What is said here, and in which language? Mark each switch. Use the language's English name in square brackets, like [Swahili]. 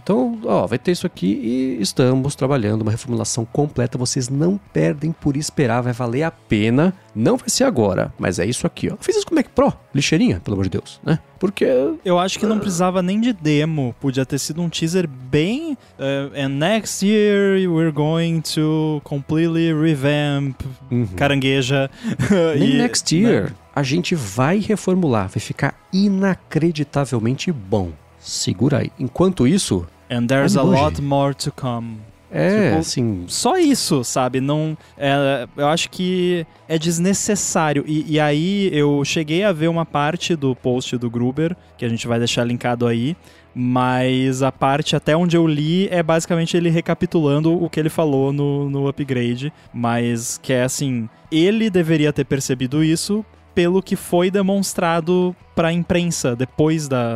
[Portuguese] Então, ó, vai ter isso aqui e estamos trabalhando uma reformulação completa. Vocês não perdem por esperar. Vai valer a pena. Não vai ser agora, mas é isso aqui, ó. Fiz isso com o Mac Pro. Lixeirinha, pelo amor de Deus, né? Porque... Eu acho que não precisava nem de demo. Podia ter sido um teaser bem... [English] next year we're going to completely revamp Carangueja. [Portuguese] Nem e, [English] next year. [Portuguese] Né? A gente vai reformular. Vai ficar inacreditavelmente bom. Segura aí. Enquanto isso... [English] And there's a lot more to come. [Portuguese] É, tipo, assim... Só isso, sabe? Não, eu acho que é desnecessário. E aí eu cheguei a ver uma parte do post do Gruber, que a gente vai deixar linkado aí, mas a parte até onde eu li é basicamente ele recapitulando o que ele falou no upgrade, mas que é assim, ele deveria ter percebido isso pelo que foi demonstrado para a imprensa depois